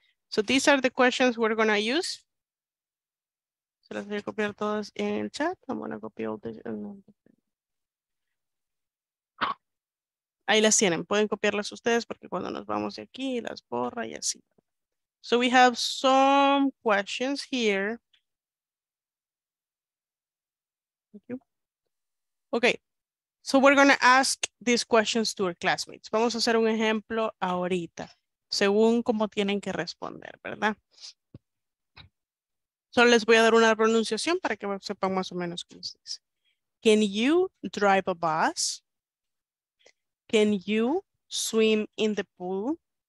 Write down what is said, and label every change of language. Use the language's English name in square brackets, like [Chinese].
[English] So these are the questions we're gonna use. [Spanish] Se las voy a copiar todas en el chat. [English] I'm gonna copy all the... [Spanish] Ahí las tienen, pueden copiarlas ustedes porque cuando nos vamos de aquí, las borra y así. [English] So we have some questions here. Thank you. Okay. So we're going to ask these questions to our classmates. [Spanish] Vamos a hacer un ejemplo ahorita, según cómo tienen que responder, ¿verdad? Solo les voy a dar una pronunciación para que sepan más o menos qué se dice. [English] Can you drive a bus? Can you swim in the pool?